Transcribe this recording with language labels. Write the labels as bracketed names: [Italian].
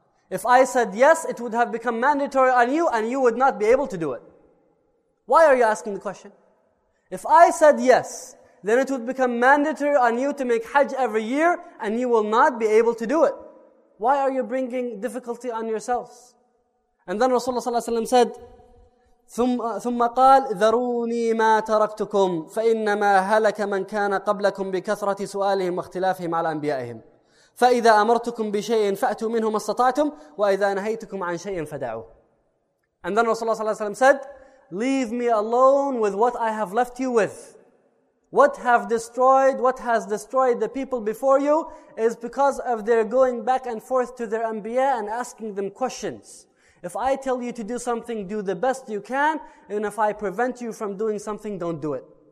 [English] If I said yes, it would have become mandatory on you and you would not be able to do it. Why are you asking the question? If I said yes, then it would become mandatory on you to make hajj every year and you will not be able to do it. Why are you bringing difficulty on yourselves? And then Rasulullah sallallahu alaihi wasallam said, [Arabic] ثم قال ذروني ما تركتكم فإنما هلك من كان قبلكم بكثرة سؤالهم واختلافهم على أنبيائهم فإذا أمرتكم بشيء فأتوا منه ما استطعتم وإذا نهيتكم عن شيء فدعوه. [English] And then Rasulullah sallallahu alaihi wasallam said, leave me alone with what I have left you with. What has destroyed the people before you is because of their going back and forth to their anbiya and asking them questions. If I tell you to do something, do the best you can. And if I prevent you from doing something, don't do it.